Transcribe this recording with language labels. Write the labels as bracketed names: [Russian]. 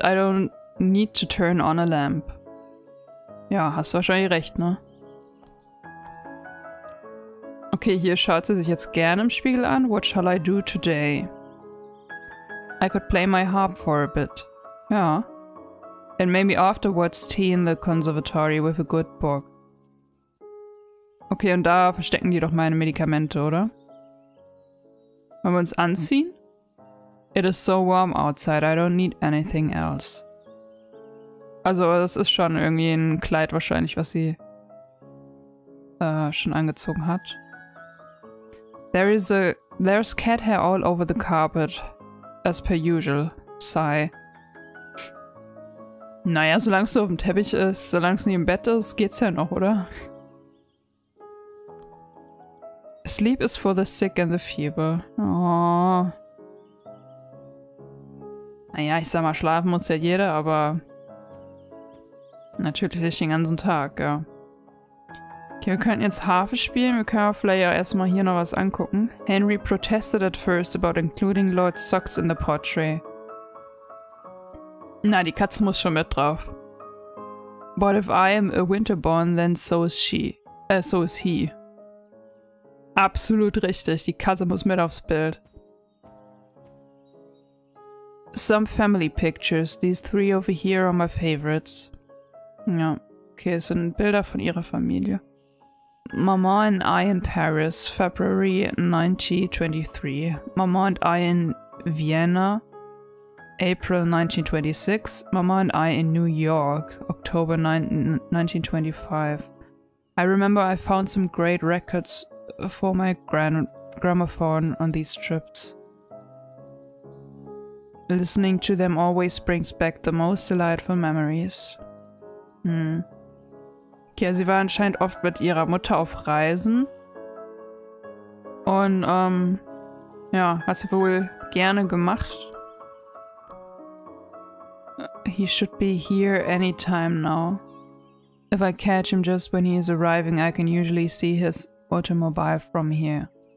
[English] I don't need to turn on a lamp. [German] Ja, hast du wahrscheinlich recht, ne? Okay, hier schaut sie sich jetzt gerne im Spiegel an. [English] What shall I do today? I could play my harp for a bit. Ja. And maybe afterwards tea in the conservatory with a good book. [German] Okay, und da verstecken die doch meine Medikamente, oder? Wollen wir uns anziehen? [English] It is so warm outside, I don't need anything else. [German] Also, das ist schon irgendwie ein Kleid wahrscheinlich, was sie schon angezogen hat. [English] There's cat hair all over the carpet, as per usual. Sigh. [German] Naja, solange es so auf dem Teppich ist, solange es nicht im Bett ist, geht's ja noch, oder? [English] Sleep is for the sick and the feeble. Oh. [German] Naja, ich sag mal, schlafen muss ja jeder, aber... Natürlich nicht den ganzen Tag, ja. Okay, wir könnten jetzt Harfe spielen. Wir können vielleicht auch erstmal hier noch was angucken. [English] Henry protested at first about including Lord Socks in the portrait. [German] Na, die Katze muss schon mit drauf. [English] But if I am a Winterbourne, then so is she. So is he. [German] Absolut richtig, die Katze muss mit aufs Bild. [English] Some family pictures. These three over here are my favorites. [German] Ja, okay, es sind Bilder von ihrer Familie. [English] Mama and I in Paris, February 1923. Mama and I in Vienna. April 1926, Mama and I in New York, October 1925. I remember I found some great records for my gramophone on these trips. Listening to them always brings back the most delightful memories. Hm. [German] Okay, sie war anscheinend oft mit ihrer Mutter auf Reisen. Und, ja, hat sie wohl gerne gemacht. [English] He should be here anytime now. If I catch him just when he is arriving, I can usually see his automobile from here.